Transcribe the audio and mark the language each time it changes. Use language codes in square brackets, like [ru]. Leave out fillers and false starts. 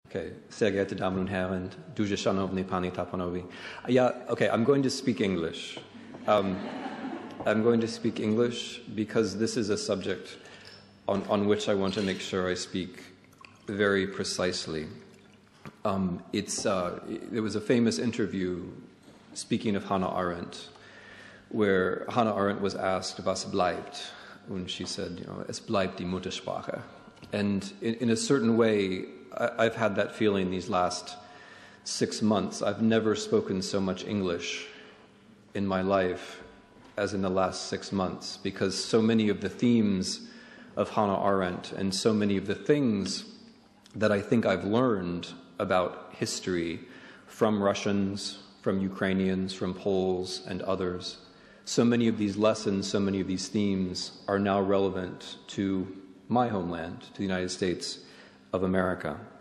[de] Okay, sehr geehrte Damen und Herren, [uk] duje shanovni pani taponovi. [en] Yeah, okay, I'm going to speak English. I'm going to speak English because this is a subject on which I want to make sure I speak very precisely. There was a famous interview speaking of Hannah Arendt, where Hannah Arendt was asked, [de] was bleibt? [en] And she said, you know, [de] es bleibt die Muttersprache. [en] And in a certain way, I've had that feeling these last 6 months. I've never spoken so much English in my life as in the last 6 months, because so many of the themes of Hannah Arendt and so many of the things that I think I've learned about history from Russians, from Ukrainians, from Poles and others, so many of these lessons, so many of these themes are now relevant to my homeland, to the United States of America.